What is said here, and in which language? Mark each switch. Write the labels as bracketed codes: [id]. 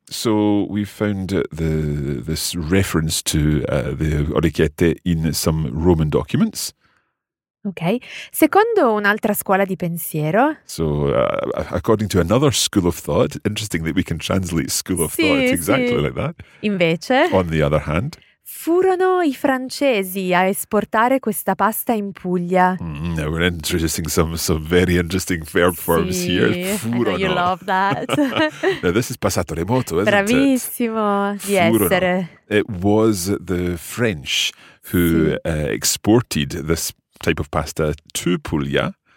[en] So we've found this reference to the orecchiette in some Roman documents. [it] Ok. Secondo un'altra scuola di pensiero. [en] So, according to another school of thought, interesting that we can translate school of thought exactly like that. [it] Invece. [en] On the other hand. [it] Furono i francesi a esportare questa pasta in Puglia. [en] Now we're introducing some very interesting verb forms here. [it] Furono. [en] You love that. Now this is passato remoto, isn't [it] Bravissimo [en] it? [it] Bravissimo di essere. [en] It was the French who exported this type of pasta to Puglia.